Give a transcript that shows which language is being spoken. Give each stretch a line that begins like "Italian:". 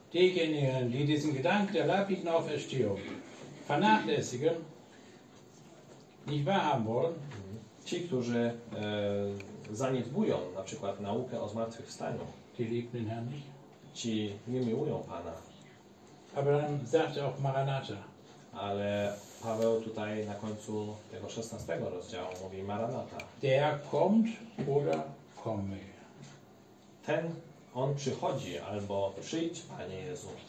German: Diejenigen, die diesen Gedanken der leiblichen Auferstehung vernachlässigen, nicht wahrhaben wollen,
Polish: ci, którzy zaniedbują na przykład naukę o zmartwychwstaniu,
German: die lieben den Herrn nicht.
Polish: Ci nie miłują Pana.
German: Aber dann sagt er auch Maranatha.
Polish: Ale Paweł tutaj na końcu tego 16 rozdziału mówi Maranatha.
German: Der kommt oder komme.
Polish: Ten, on przychodzi, albo przyjdź, Panie Jezu.